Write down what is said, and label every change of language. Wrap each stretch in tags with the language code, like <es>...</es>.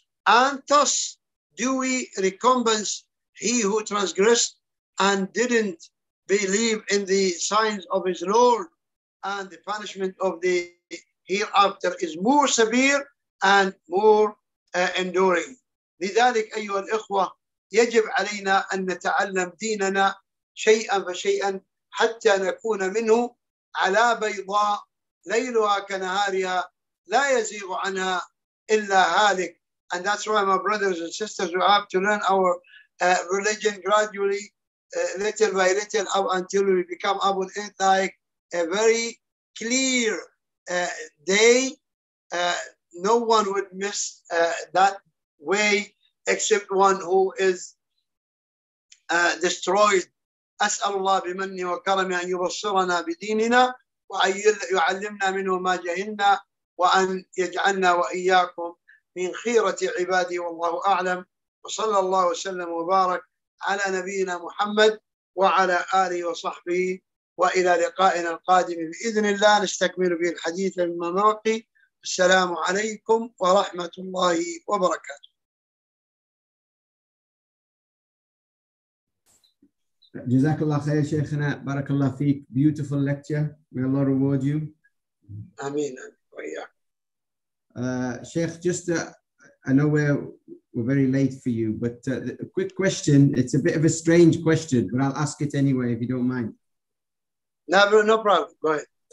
<en>And thus do we recompense he who transgressed and didn't believe in the signs of his Lord, and the punishment of the hereafter is more severe and more enduring.</en> <ar>لذلك أيها الإخوة يجب علينا أن نتعلم ديننا شيئا فشيئا حتى نكون منه على بيضاء ليلها كنهارها لا يزيغ عنها إلا هالك.</ar> <en>And that's why my brothers and sisters, we have to learn our religion gradually, little by little, until we become Abu al-Ith, like a very clear day. No one would miss that way except one who is destroyed.</en> <ar>أسأل الله بمنه وكرمه أن يبصرنا بديننا وأن يعلمنا منه ما جهلنا وأن يجعلنا وإياكم من خيرة عبادي والله أعلم. وصلى الله وسلم وبارك على نبينا محمد وعلى آله وصحبه, وإلى لقائنا القادم بإذن الله نستكمل في الحديث المنرقي. السلام عليكم ورحمة الله وبركاته. جزاك الله خير شيخنا, بارك الله فيك.</ar> <en>Beautiful lecture, may Allah reward you.</en> <ar>آمين.</ar> <en>Sheikh, just I know we're very late for you, but a quick question. It's a bit of a strange question, but I'll ask it anyway, if you don't mind. No problem. Go ahead.</en>